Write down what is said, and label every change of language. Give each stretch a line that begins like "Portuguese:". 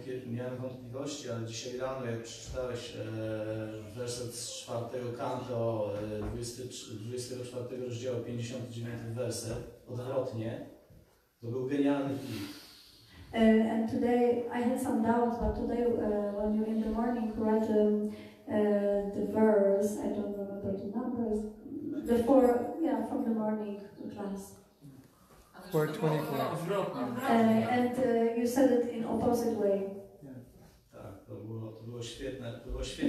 Polish: Miałem wątpliwości, ale dzisiaj rano, jak przeczytałeś werset z 4 kanto, 24 rozdziału, 59 werset, odwrotnie, to był genialny film.
English: And today I had some doubts, but today when you in the morning read the verse, I don't remember the numbers, before, yeah, from the morning class. 424. And you said it in opposite way.
Polish: Tak, to było świetne, to było świetne.